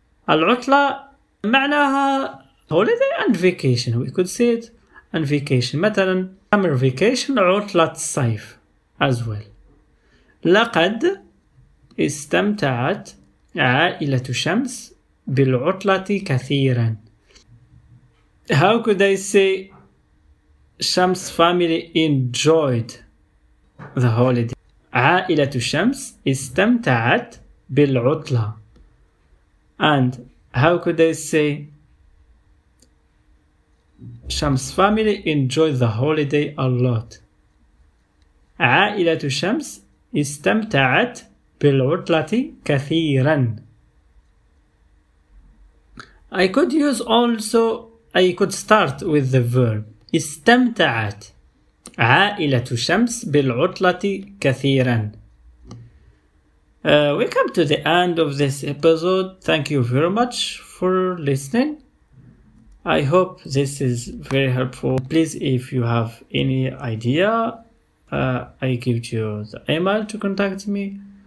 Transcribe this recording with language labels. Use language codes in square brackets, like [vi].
[ar] العطلة معناها [en] holiday and vacation, we could say it and vacation. مثلا summer vacation, [ar] عطلة الصيف [en] as well. [ar] لقد استمتعت عائلة شمس بالعطلة كثيرا. [en] How could I say Shams family enjoyed the holiday? [ar] عائلة شمس استمتعت بالعطلة. [en] And how could I say Shams family enjoyed the holiday a lot? [ar] عائلة شمس استمتعت بالعطلة كثيرا. [en] I could use also, I could start with the verb. [ar] استمتعت عائلة شمس بالعطلة كثيرا. [en] We come to the end of this episode. Thank you very much for listening. I hope this is very helpful. Please, if you have any idea, I give you the email to contact me.